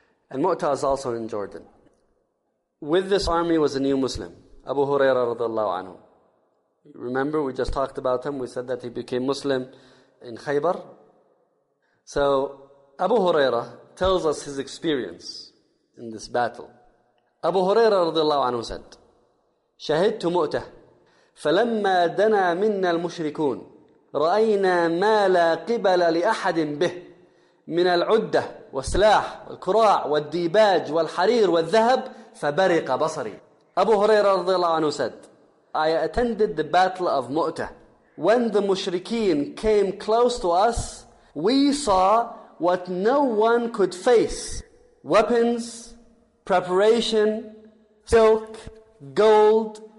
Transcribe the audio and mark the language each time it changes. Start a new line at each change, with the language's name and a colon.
English: And Mu'ta is also in Jordan. With this army was a new Muslim, Abu Hurairah radiallahu anhu. Remember, we just talked about him. We said that he became Muslim in Khaybar. So Abu Hurairah tells us his experience in this battle.
Arabic: Abu Hurairah radiallahu anhu
English: said,
Arabic: شهدت مؤتة فلما دنا منا المشركون رأينا ما لا قبل لأحد به من العدة والسلاح والكراع والديباج والحرير والذهب فبرق بصري.
English: Abu Hurairah رضي الله عنه said, I attended the battle of Mu'tah. When the mushrikeen came close to us, we saw what no one could face: weapons, preparation, silk, gold.